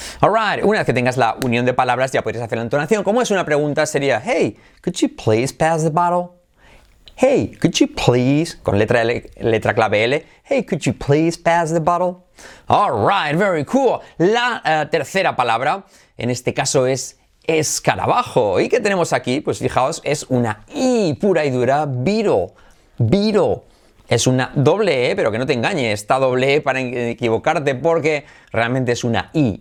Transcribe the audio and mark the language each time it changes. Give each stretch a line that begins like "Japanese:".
Spanish: Alright, una vez que tengas la unión de palabras ya puedes hacer la entonación. Como es una pregunta sería,
English: hey, could you please pass the bottle? Hey, could you please,
Spanish: con letra L, letra clave L,
English: hey, could you please pass the bottle? Alright, very cool.
Spanish: La tercera palabra, en este caso es escarabajo. ¿Y qué tenemos aquí? Pues fijaos, es una I pura y dura, beetle, beetle. Es una doble E, pero que no te engañe, está doble E para equivocarte porque realmente es una I.